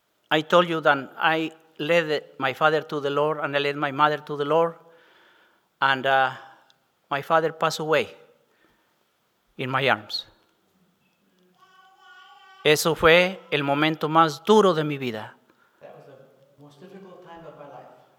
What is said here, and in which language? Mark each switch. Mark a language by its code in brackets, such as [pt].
[en] I told you that I led my father to the Lord and I led my mother to the Lord, and my father passed away in my arms. [es] Eso fue el momento más duro de mi vida. [en] That was the most difficult time of my life.